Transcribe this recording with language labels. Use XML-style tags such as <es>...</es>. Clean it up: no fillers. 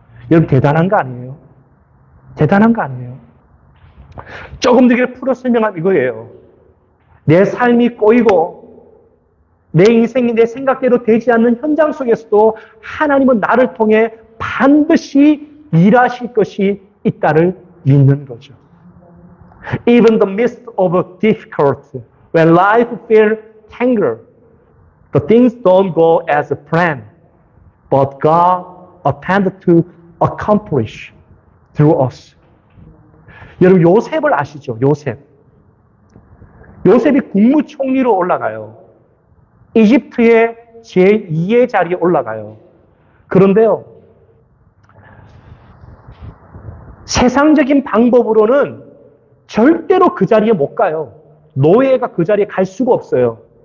<ko>여러분 대단한 거 아니에요? 대단한 거 아니에요? 조금 더 풀어 설명하면 이거예요. 내 삶이 꼬이고 내 인생이 내 생각대로 되지 않는 현장 속에서도 하나님은 나를 통해 반드시 일하실 것이 있다를 믿는 거죠.</ko> <en>Even the midst of a difficulty, when life feels tangled, the things don't go as planned, but God attended to accomplish through us.</en> <ko>여러분 요셉을 아시죠? 요셉. 요셉이 국무총리로 올라가요. 이집트의 제2의 자리에 올라가요. 그런데요, 세상적인 방법으로는 절대로 그 자리에 못 가요. 노예가 그 자리에 갈 수가 없어요.</ko>